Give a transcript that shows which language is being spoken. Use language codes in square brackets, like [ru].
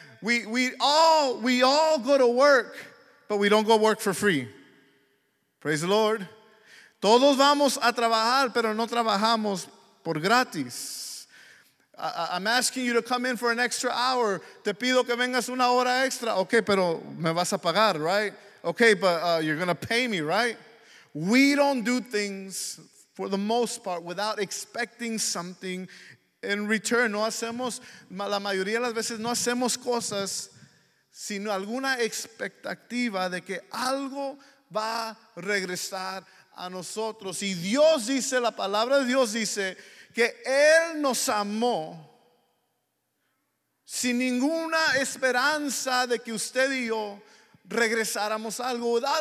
[en] We all go to work, but we don't go work for free. Praise the Lord. [es] Todos vamos a trabajar, pero no trabajamos por gratis. [en] I'm asking you to come in for an extra hour. [es] Te pido que vengas una hora extra. [en] Okay, [es] pero me vas a pagar, [en] right? Okay, but you're going to pay me, right? We don't do things, for the most part, without expecting something in return. [es] No hacemos, la mayoría de las veces, no hacemos cosas sin alguna expectativa de que algo va a regresar a nosotros. Y Dios dice, la palabra de Dios dice, que Él nos amó sin ninguna esperanza de que usted y yo regresáramos algo.